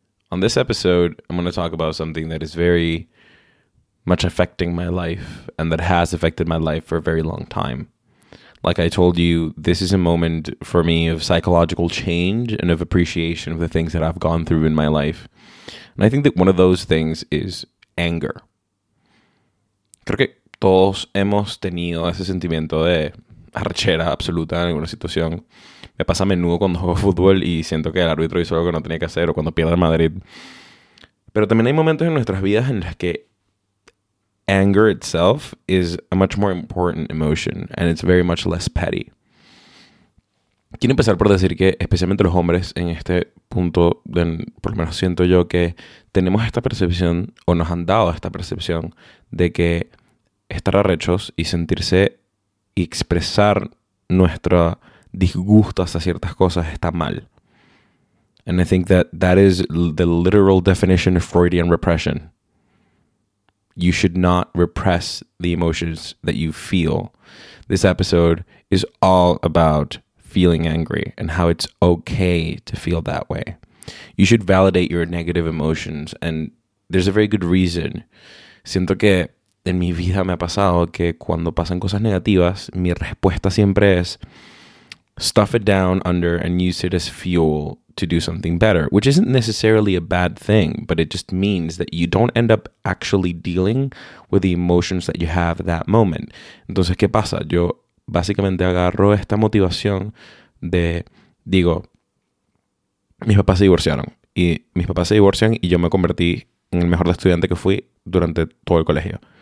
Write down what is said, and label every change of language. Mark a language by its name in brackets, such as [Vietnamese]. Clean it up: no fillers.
[English] On this episode, I'm going to talk about something that is very much affecting my life and that has affected my life for a very long time. Like I told you, this is a moment for me of psychological change and of appreciation of the things that I've gone through in my life. And I think that one of those things is anger. [Spanish] Creo que todos hemos tenido ese sentimiento de arrechera absoluta en alguna situación. Me pasa a menudo cuando juego fútbol y siento que el árbitro hizo algo que no tenía que hacer o cuando pierdo el Madrid. Pero también hay momentos en nuestras vidas en las que [English] anger itself is a much more important emotion, and it's very much less petty. [Spanish] Quiero empezar por decir que, especialmente los hombres, en este punto, por lo menos siento yo que tenemos esta percepción, o nos han dado esta percepción, de que estar arrechos y sentirse y expresar nuestro disgusto hacia ciertas cosas está mal. [English] And I think that that is the literal definition of Freudian repression. You should not repress the emotions that you feel. This episode is all about feeling angry and how it's okay to feel that way. You should validate your negative emotions, and there's a very good reason. [Spanish] Siento que en mi vida me ha pasado que cuando pasan cosas negativas, mi respuesta siempre es [English] stuff it down under and use it as fuel to do something better, which isn't necessarily a bad thing, but it just means that you don't end up actually dealing with the emotions that you have at that moment. [Spanish] Entonces, ¿qué pasa? Yo básicamente agarro esta motivación de, digo, mis papás se divorciaron. Y mis papás se divorciaron y yo me convertí en el mejor estudiante que fui durante todo el colegio.